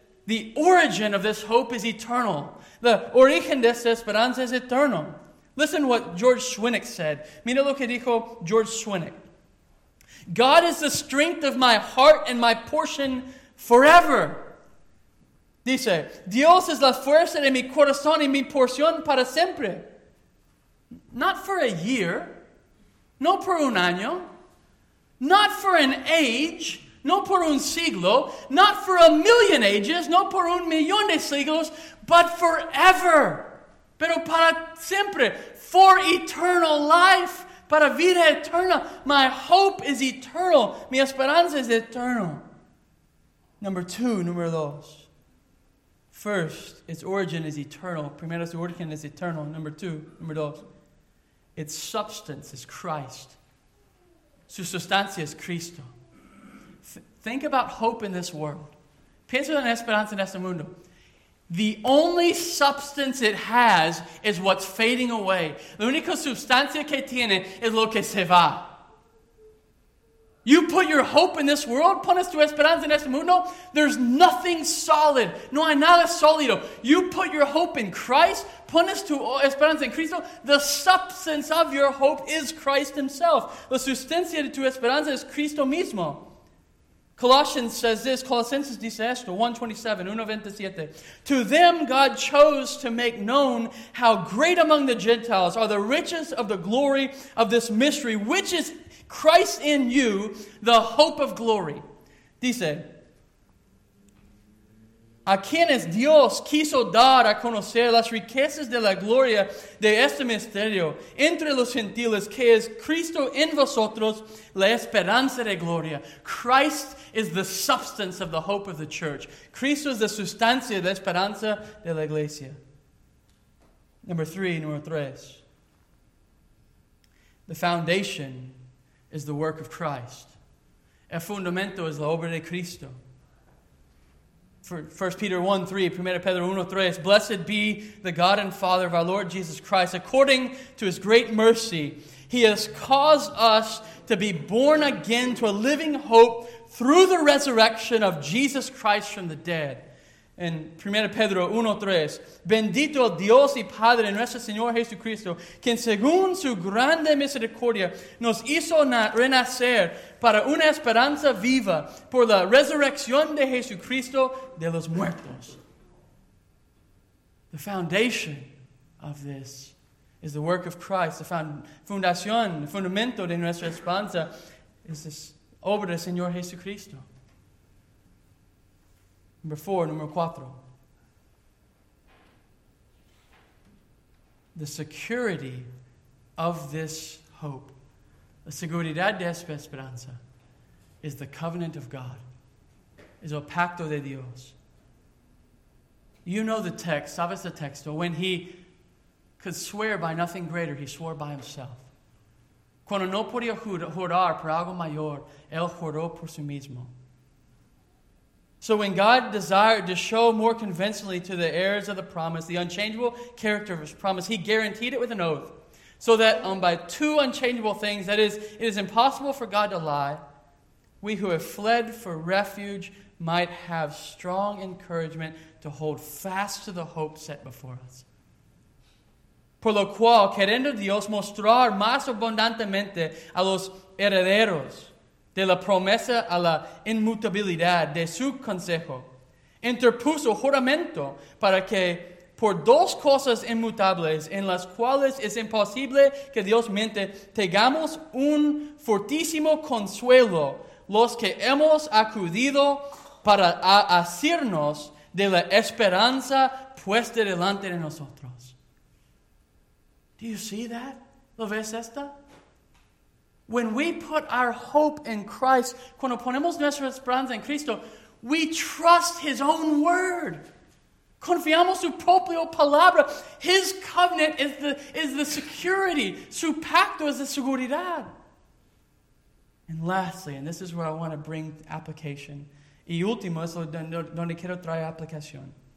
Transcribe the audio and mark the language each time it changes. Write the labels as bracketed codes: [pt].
[en] The origin of this hope is eternal. [es] The origen de esta esperanza es eterno. [en] Listen to what George Schwinnick said. [es] Mira lo que dijo George Schwinnick. [en] God is the strength of my heart and my portion forever. [es] Dice, Dios es la fuerza de mi corazón y mi porción para siempre. [en] Not for a year. [es] No por un año. [en] Not for an age. [es] No por un siglo. [en] Not for a million ages. [es] No por un millón de siglos. [en] But forever. [es] Pero para siempre. [en] For eternal life. [es] Para vida eterna. [en] My hope is eternal. [es] Mi esperanza es eternal. [en] Number two, [es] número dos. [en] First, its origin is eternal. [es] Primero, su origen es eternal. [en] Number two, [es] número dos. [en] Its substance is Christ. [es] Su sustancia es Cristo. [en] Think about hope in this world. [es] Piensa en esperanza en este mundo. [en] The only substance it has is what's fading away. [es] La única sustancia que tiene es lo que se va. [en] You put your hope in this world, [es] pones tu esperanza en este mundo, [en] there's nothing solid. [es] No hay nada sólido. [en] You put your hope in Christ, [es] pones tu esperanza en Cristo, [en] the substance of your hope is Christ himself. [es] La sustancia de tu esperanza es Cristo mismo. [en] Colossians says this, [es] Colossenses dice esto, [en] 1:27. To them God chose to make known how great among the Gentiles are the riches of the glory of this mystery, which is Christ in you, the hope of glory. [es] Dice, a quienes Dios quiso dar a conocer las riquezas de la gloria de este misterio entre los gentiles, que es Cristo en vosotros, la esperanza de gloria. [en] Christ is the substance of the hope of the church. [es] Cristo es la sustancia de esperanza de la iglesia. [en] Number three. The foundation is the work of Christ. [es] El fundamento es la obra de Cristo. [en] 1 Peter 1:3, blessed be the God and Father of our Lord Jesus Christ. According to his great mercy, he has caused us to be born again to a living hope through the resurrection of Jesus Christ from the dead. [es] En 1 Pedro 1:3, bendito Dios y Padre de nuestro Señor Jesucristo, quien según su grande misericordia nos hizo renacer para una esperanza viva por la resurrección de Jesucristo de los muertos. [en] The foundation of this is the work of Christ. [es] The fundación, el fundamento de nuestra esperanza es la obra del Señor Jesucristo. [en] Number four. The security of this hope, [es] la seguridad de esta esperanza, [en] is the covenant of God, [es] es el pacto de Dios. [en] You know the text, [es] sabes el texto, [en] when he could swear by nothing greater, he swore by himself. [es] Cuando no podía jurar por algo mayor, él juró por sí mismo. [en] So when God desired to show more convincingly to the heirs of the promise the unchangeable character of his promise, he guaranteed it with an oath, so that by two unchangeable things, that is, it is impossible for God to lie, we who have fled for refuge might have strong encouragement to hold fast to the hope set before us. [es] Por lo cual, queriendo Dios mostrar más abundantemente a los herederos, de la promesa a la inmutabilidad de su consejo, interpuso juramento para que por dos cosas inmutables en las cuales es imposible que Dios miente, tengamos un fortísimo consuelo los que hemos acudido para asirnos de la esperanza puesta delante de nosotros. [en] Do you see that? [es] ¿Lo ves esta? [en] When we put our hope in Christ, [es] cuando ponemos nuestra esperanza en Cristo, [en] we trust his own word. [es] Confiamos su propia palabra. [en] His covenant is the security. [es] Su pacto es la seguridad. [en] And lastly, and this is where I want to bring application. [es] Y último, es donde quiero traer aplicación.